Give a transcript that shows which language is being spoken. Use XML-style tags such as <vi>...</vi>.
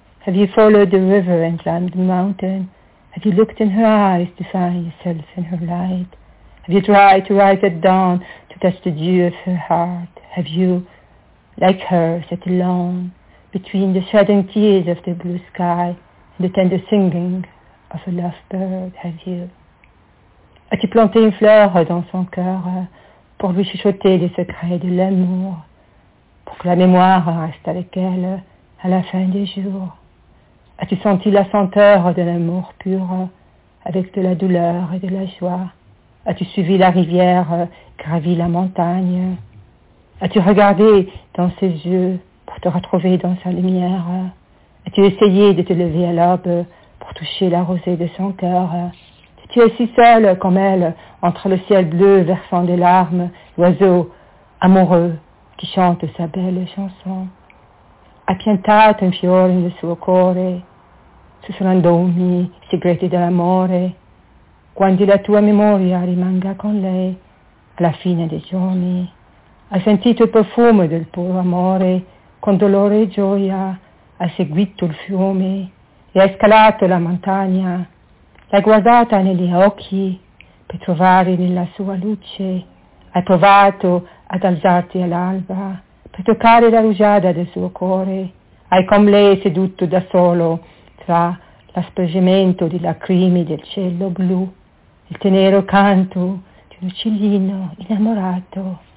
<en>Have you followed the river and climbed the mountain? Have you looked in her eyes to find yourself in her light? Have you tried to rise at dawn to touch the dew of her heart? Have you, like her, sat alone between the shedding tears of the blue sky and the tender singing of a lost bird? Have you?</en> <fr>As-tu planté une fleur dans son cœur pour lui chuchoter les secrets de l'amour, pour que la mémoire reste avec elle à la fin des jours? As-tu senti la senteur de l'amour pur avec de la douleur et de la joie? As-tu suivi la rivière, gravi la montagne? As-tu regardé dans ses yeux pour te retrouver dans sa lumière? As-tu essayé de te lever à l'aube pour toucher la rosée de son cœur? Es-tu assis seul comme elle entre le ciel bleu versant des larmes, l'oiseau amoureux qui chante sa belle chanson?</fr> <it>A piantato un fiore nel suo cuore, susurrandomi i segreti dell'amore, quando la tua memoria rimanga con lei alla fine dei giorni. Ha sentito il profumo del puro amore, con dolore e gioia, ha seguito il fiume e ha scalato la montagna, l'ha guardata negli occhi per trovare nella sua luce, ha provato ad alzarti all'alba, per toccare la rugiada del suo cuore, hai con lei seduto da solo tra l'aspergimento di lacrime del cielo blu, il tenero canto di un uccellino innamorato.</it>